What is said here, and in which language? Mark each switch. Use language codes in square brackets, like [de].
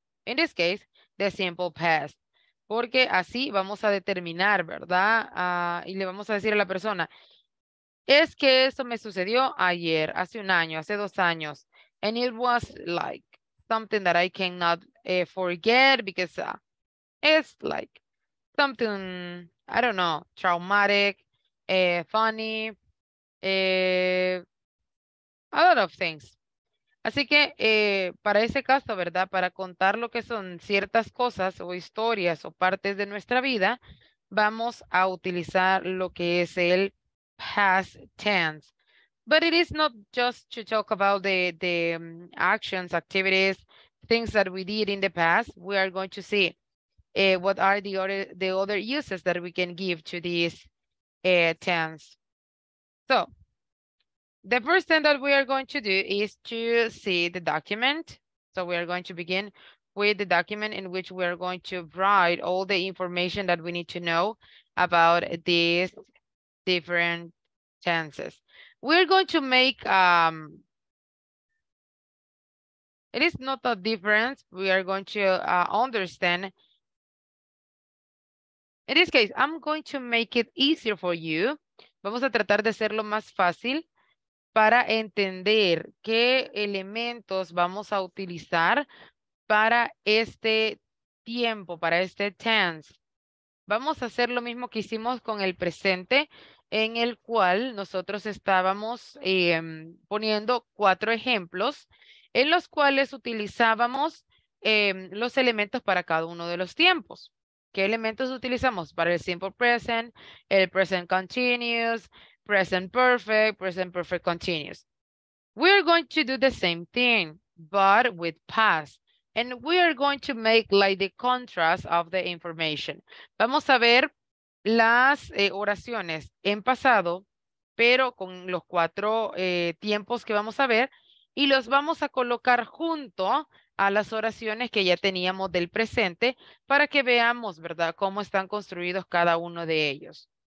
[en] In this case, the simple past. [es] Porque así vamos a determinar, ¿verdad? Y le vamos a decir a la persona, es que eso me sucedió ayer, hace un año, hace dos años. [en] And it was like something that I cannot forget because it's like something, I don't know, traumatic, funny, a lot of things. [es] Así que para ese caso, ¿verdad? Para contar lo que son ciertas cosas o historias o partes de nuestra vida, vamos a utilizar lo que es el past tense. [en] But it is not just to talk about the actions, activities, things that we did in the past. We are going to see what are the other uses that we can give to this tense. So, the first thing that we are going to do is to see the document. So we are going to begin with the document in which we are going to write all the information that we need to know about these different tenses. We're going to make, it is not a difference. We are going to understand. In this case, I'm going to make it easier for you. [es] Vamos a tratar de hacerlo más fácil para entender qué elementos vamos a utilizar para este tiempo, para este tense. Vamos a hacer lo mismo que hicimos con el presente en el cual nosotros estábamos poniendo cuatro ejemplos en los cuales utilizábamos los elementos para cada uno de los tiempos. ¿Qué elementos utilizamos? Para el simple present, el present continuous, present perfect continuous. [en] We are going to do the same thing, but with past. And we are going to make like the contrast of the information. [es] Vamos a ver las oraciones en pasado, pero con los cuatro tiempos que vamos a ver, y los vamos a colocar junto a las oraciones que ya teníamos del presente para que veamos, ¿verdad?, cómo están construidos cada uno de ellos.